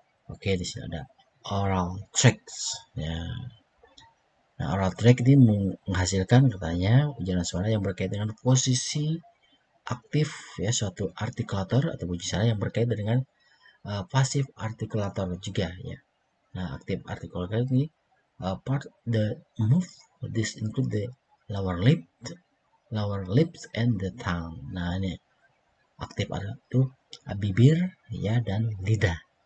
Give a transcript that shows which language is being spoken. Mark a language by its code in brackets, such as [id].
[id] Oke, di sini ada oral tracts ya. Nah, oral tract ini menghasilkan katanya ujaran suara yang berkaitan dengan posisi aktif ya suatu artikulator atau bunyi suara yang berkaitan dengan pasif artikulator juga ya. Nah, aktif artikulator ini [en] part the mouth. This include the lower lips and the tongue. [id] Nah, ini aktif itu bibir ya dan lidah.